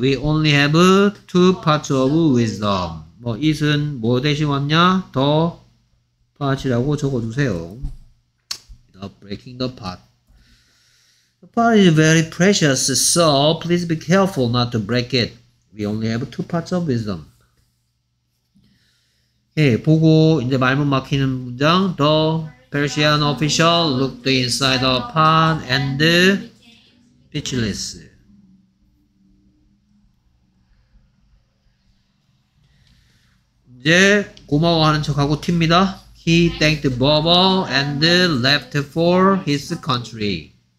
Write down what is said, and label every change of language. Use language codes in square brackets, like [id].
[en] We only have two parts of wisdom. [ko] 뭐, it은 뭐 대신 왔냐? [en] The part [ko] 이라고 적어주세요. [en] Not breaking the part. The part is very precious, so please be careful not to break it. We only have two parts of wisdom. [ko] 예, 보고, 이제 말문 막히는 문장. [en] The Persian official looked inside the pot and speechless. [ko] 이제 고마워하는 척하고 튑니다. [en] He thanked Bobo and left for his country.